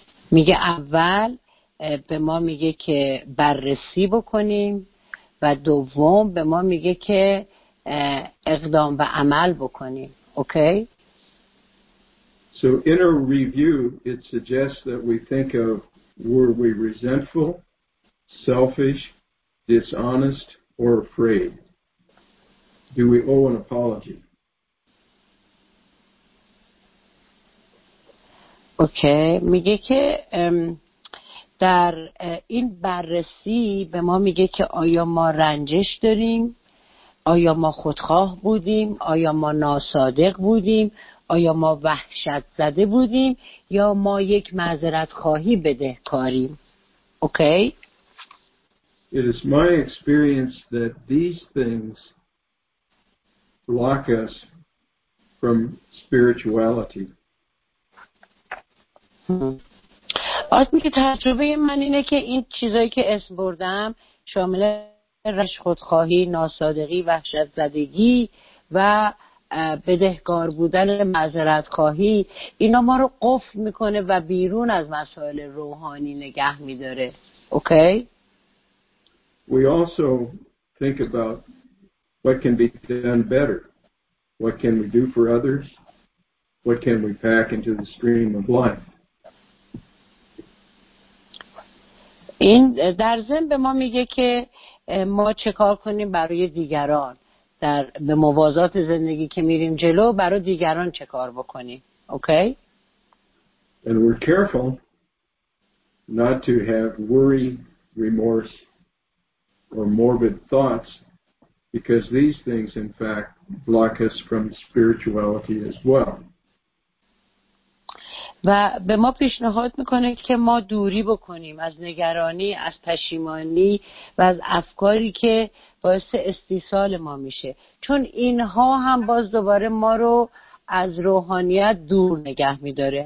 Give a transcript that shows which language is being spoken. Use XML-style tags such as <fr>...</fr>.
<fa>میگه اول به ما میگه که بررسی بکنیم و دوم به ما میگه که اقدام و عمل بکنیم.</fa> <en>Okay. So in a review it suggests that we think of were we resentful, selfish, dishonest or afraid. Do we owe an apology? Okay.</en> <fa>میگه که در این بررسی به ما میگه که آیا ما رنجش داریم؟ آیا ما خودخواه بودیم؟ آیا ما ناصادق بودیم؟ آیا ما وحشت زده بودیم؟ یا ما یک معذرت خواهی بدهکاریم؟ اوکی؟</fa> <en>It is my experience that these things block us from spirituality.</en> <fa>آدمی که تجربه من اینه که این چیزایی که اسم بردم شامل رش خودخواهی، ناصادقی، وحشت زدگی و بدهکار بودن معذرت خواهی اینا ما رو قفل میکنه و بیرون از مسائل روحانی نگه میداره.</fa> <en>Okay? We also think about what can be done better. What can we do for others? What can we pack into the stream of life?</en> <fa>این در ذهن به ما میگه که ما چه کار کنیم برای دیگران در به موازات زندگی که میریم جلو برای دیگران چه کار بکنیم.</fa> <en>Okay. And we're careful not to have worry, remorse or morbid thoughts because these things in fact block us from spirituality as well.</en> <fa>و به ما پیشنهاد میکنه که ما دوری بکنیم از نگرانی، از پشیمانی و از افکاری که باعث استیصال ما میشه، چون اینها هم باز دوباره ما رو از روحانیت دور نگه میداره.</fa>